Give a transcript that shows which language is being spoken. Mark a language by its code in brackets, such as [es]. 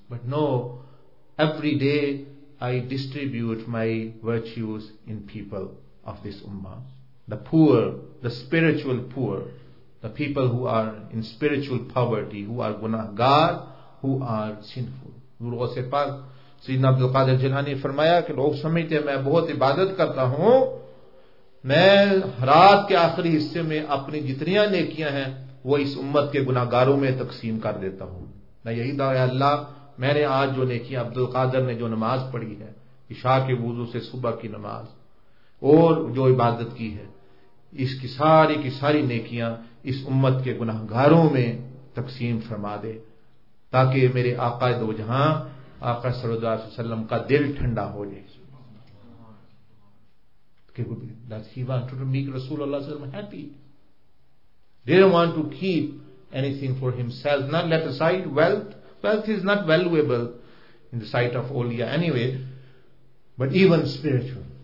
[en] But no, every day I distribute my virtues in people of this ummah. The poor, the spiritual poor, the people who are in spiritual poverty, who are gunahgar, who are sinful. [ur] Guru Ghausay Pak, Sayyidina Abdul Qadir Jilani farmaya, ke log samajhte hain main bahut ibadat karta hoon, میں رات کے آخری حصے میں اپنی جتنیاں نیکیاں ہیں وہ اس امت کے گناہگاروں میں تقسیم کر دیتا ہوں. میں یہی دعا ہے اللہ, میں نے آج جو نیکیاں, عبد القادر نے جو نماز پڑھی ہے عشاء کے وضو سے صبح کی نماز اور جو عبادت کی ہے, اس کی ساری نیکیاں اس امت کے گناہگاروں میں تقسیم فرما دے, تاکہ میرے آقا دو جہاں آقا صلی اللہ علیہ وسلم کا دل ٹھنڈا ہو جائے. [en] That he wanted to make Rasulullah SAW happy. They didn't want to keep anything for himself, not let aside wealth. Wealth is not valuable in the sight of awliya anyway, but even spiritual.